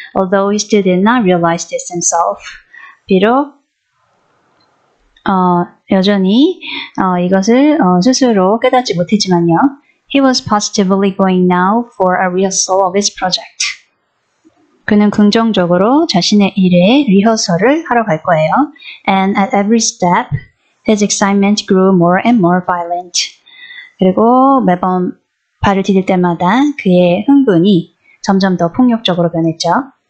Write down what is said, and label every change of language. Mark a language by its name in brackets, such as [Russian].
[English] Although he still did not realize this himself [Korean] 비록 여전히 이것을 스스로 깨닫지 못했지만요. [English] He was positively going now for a rehearsal of his project. [Korean] 그는 긍정적으로 자신의 일에 리허설을 하러 갈 거예요. [English] And at every step, his excitement grew more and more violent. [Korean] 그리고 매번 발을 디딜 때마다 그의 흥분이 점점 더 폭력적으로 변했죠.